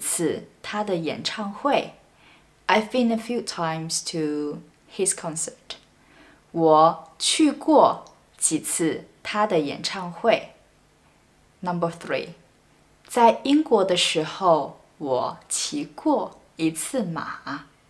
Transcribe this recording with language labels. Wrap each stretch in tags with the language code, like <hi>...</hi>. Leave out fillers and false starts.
<zh>我去过几次他的演唱会.</zh> <en>I've been a few times to his concert.</en> <zh>我去过几次他的演唱会.</zh> <en>Number three.</en> <zh>在英国的时候我骑过一次马.</zh>